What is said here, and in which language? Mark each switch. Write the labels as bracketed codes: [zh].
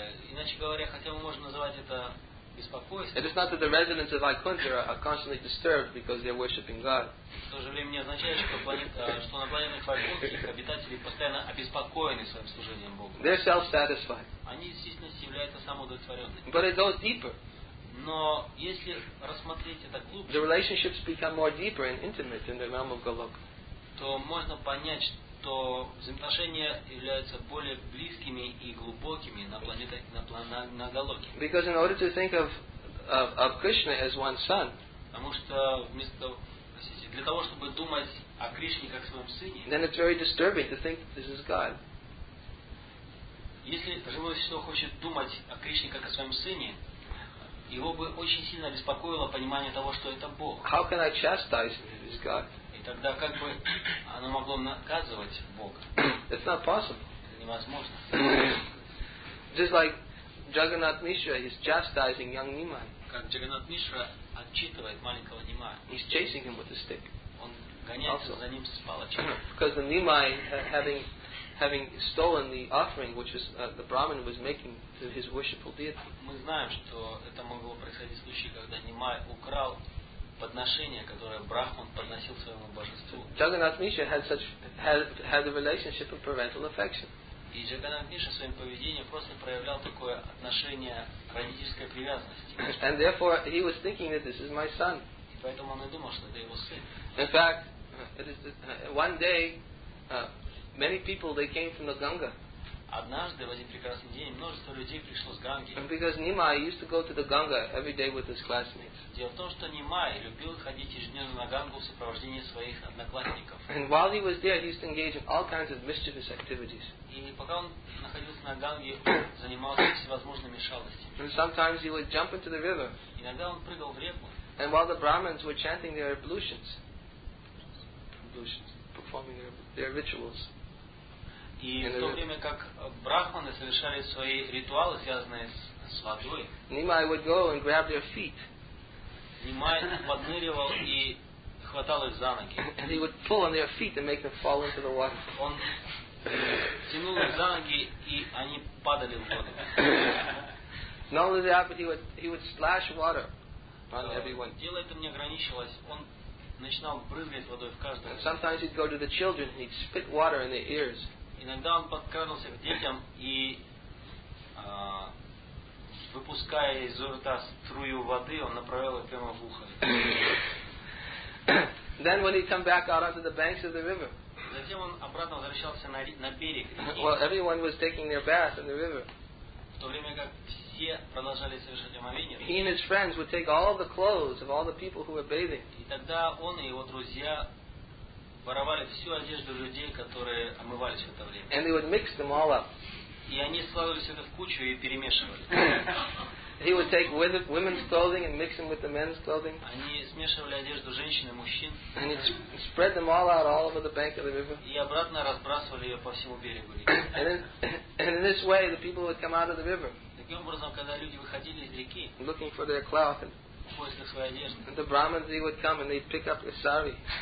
[ru] Иначе говоря, хотя мы можем называть это [en] It is not that the residents of Vaikuntha are constantly disturbed because they are worshipping God. [ru] В то же время не означает, что на планете Вайкунтхе обитатели постоянно обеспокоены своим служением Богу. [en] They are self-satisfied. [ru] Они действительно являются самоудовлетворенными. [en] But it goes deeper. [ru] Но если рассмотреть это глубже, [en] the relationships become more deeper and intimate in the realm of Goloka. [ru] То можно понять, что взаимоотношения являются более близкими и глубокими на планете на Голоке. [en] Because in order to think of Krishna as one son, [ru] потому что для того, чтобы думать о Кришне как своем сыне, [en] then it's very disturbing to think that this is God. [ru] Если живое существо хочет думать о Кришне как о своем сыне, его бы очень сильно беспокоило понимание того, что это Бог. [en] How can I chastise that this is God? [ru] Тогда как бы оно могло наказывать Бога? [en] It's not possible. [ru] Это невозможно. [en] Just like Jagannath Mishra is chastising young Nimai. [ru] Как Джаганнат Мишра отчитывает маленького Нимая. [en] He's chasing him with a stick. [ru] Он гоняется за ним с палочкой. [en] Because the Nimai, having stolen the offering which was the Brahmin was making to his worshipful deity. [ru] Мы знаем, что это могло происходить в случае, когда Нимай украл подношение, которое Брахман подносил своему божеству. [en] Jagannath Mishra had a relationship of parental affection. [ru] И Jagannath Mishra своим поведением просто проявлял такое отношение родительской привязанности. [en] And therefore he was thinking that this is my son. [ru] И поэтому он и думал, что это его сын. [en] In fact, one day many people they came from the Ganga. [ru] Однажды в один прекрасный день множество людей пришло с Ганги. [en] Because Nimai used to go to the Ganga every day with his classmates. [ru] Дело в том, что Нимай любил ходить ежедневно на Гангу в сопровождении своих одноклассников. [en] And while he was there, he used to engage in all kinds of mischievous activities. [ru] И пока он находился на Ганге, занимался всевозможными шалостями. [en] And sometimes he would jump into the river. [ru] Иногда он прыгал в реку. [en] And while the Brahmins were chanting their ablutions, performing their rituals. [ru] И в то время как брахманы совершали свои ритуалы, связанные с водой, [en] Nimai would go and grab their feet. [ru] Nimai подныривал и хватал их за ноги. [en] And he would pull on their feet and make them fall into the water. [ru] Он тянул их за ноги, и они падали в воду. [en] Not only that, but he would splash water on everyone. [ru] Дело это не ограничивалось. Он начинал брызгать водой в каждого. [en] And sometimes he'd go to the children and he'd spit water in their ears. [ru] Иногда он подкрадывался к детям и, выпуская из рта струю воды, он направил ее прямо в ухо. [en] Then when he came back out onto the banks of the river. [ru] Затем он обратно возвращался на берег. [en] Well, everyone was taking their bath in the river. [ru] В то время как все продолжали совершать омовение. [en] He and his friends would take all the clothes of all the people who were bathing. [ru] И тогда он и его друзья воровали всю одежду людей, которые омывались в это время. [en] And they would mix them all up. [ru] И они складывали все это в кучу и перемешивали. [en] He would take women's clothing and mix them with the men's clothing. [ru] Они смешивали одежду женщин и мужчин. [en] And he'd spread them all out all over the bank of the river. [ru] И обратно разбрасывали ее по всему берегу. [en] And in this way, the people would come out of the river. [ru] Таким образом, когда люди выходили из реки, [en] looking for their cloth. And the Brahmins, they would come and they'd pick up the sari.